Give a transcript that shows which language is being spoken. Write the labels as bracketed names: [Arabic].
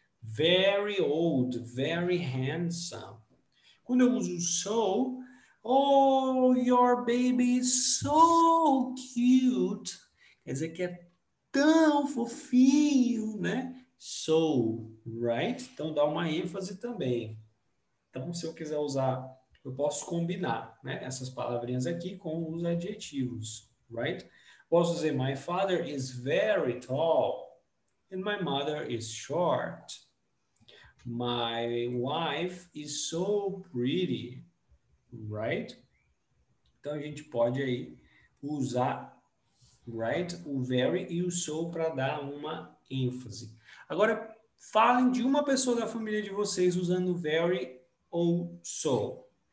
[English] Very old, very handsome. [Portuguese] Quando eu uso [English] so, oh, your baby is so cute. [Portuguese] Quer dizer que é tão fofinho, né? So, right? Então, dá uma ênfase também. Então, se eu quiser usar, eu posso combinar, né, essas palavrinhas aqui com os adjetivos, right? Posso dizer, [English] my father is very tall and my mother is short. My wife is so pretty, right? [Portuguese] Então, a gente pode aí usar, right, o very e o so para dar uma ênfase. Agora, falem de uma pessoa da família de vocês usando very ou so.